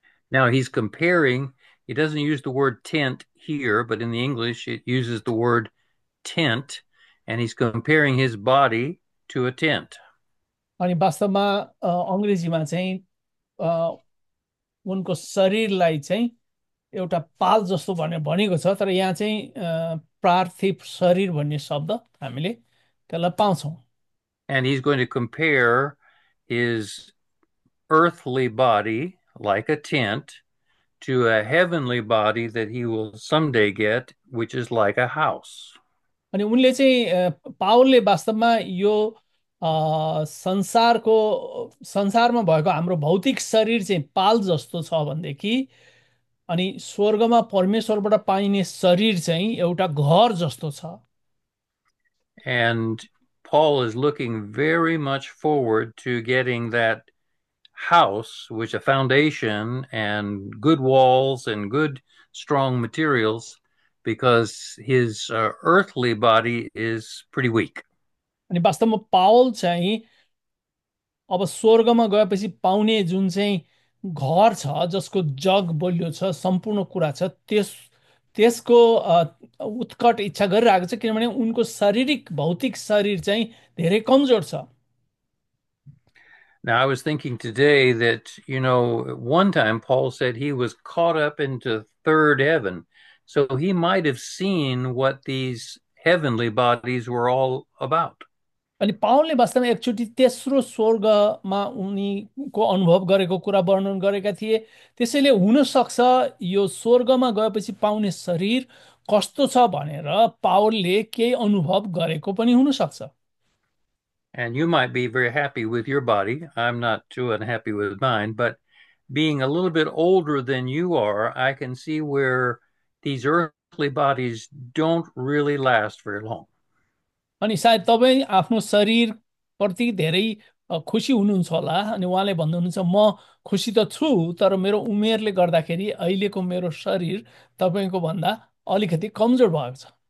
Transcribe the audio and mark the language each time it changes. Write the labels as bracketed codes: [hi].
[en] Now he's comparing, he doesn't use the word tent here, but in the English it uses the word tent, and he's comparing his body to a tent. [ne] अनि वास्तवमा अङ्ग्रेजीमा चाहिँ उनको शरीरलाई चाहिँ एउटा पाल जस्तो भनेर भनेको छ, तर यहाँ चाहिँ पार्थिव शरीर भन्ने शब्द हामीले त्यसलाई पाउँछौँ। [en] And he's going to compare his earthly body, like a tent, to a heavenly body that he will someday get, which is like a house. [ne] अनि उनले चाहिँ पावलले वास्तवमा यो संसारको संसारमा भएको हाम्रो भौतिक शरीर चाहिँ पाल जस्तो छ भनेदेखि अनि स्वर्गमा परमेश्वरबाट पाइने शरीर चाहिँ एउटा घर जस्तो छ। [en] And Paul is looking very much forward to getting that house, which a foundation and good walls and good strong materials, because his earthly body is pretty weak. [ne] अनि वास्तवमा पावल चाहिँ अब स्वर्गमा गएपछि पाउने जुन चाहिँ घर छ जसको जग बलियो छ, सम्पूर्ण कुरा छ, त्यसको उत्कट इच्छा गरिरहेको छ, किनभने उनको शारीरिक भौतिक शरीर चाहिँ धेरै कमजोर छ। [en] Now, I was thinking today that, one time Paul said he was caught up into third heaven. So he might have seen what these heavenly bodies were all about. [ne] अनि पाउलले वास्तवमा एकचोटि तेस्रो स्वर्गमा उनीको अनुभव गरेको कुरा वर्णन गरेका थिए। त्यसैले हुनसक्छ यो स्वर्गमा गएपछि पाउने शरीर कस्तो छ भनेर पाउलले केही अनुभव गरेको पनि हुनसक्छ। [en] And you might be very happy with your body. I'm not too unhappy with mine, but being a little bit older than you are, I can see where these earthly bodies don't really last very long. [ne] अनि सायद तपाईँ आफ्नो शरीरप्रति धेरै खुसी हुनुहुन्छ होला, अनि उहाँले भन्नुहुन्छ म खुसी त छु तर मेरो उमेरले गर्दाखेरि अहिलेको मेरो शरीर तपाईँको भन्दा अलिकति कमजोर भएको छ।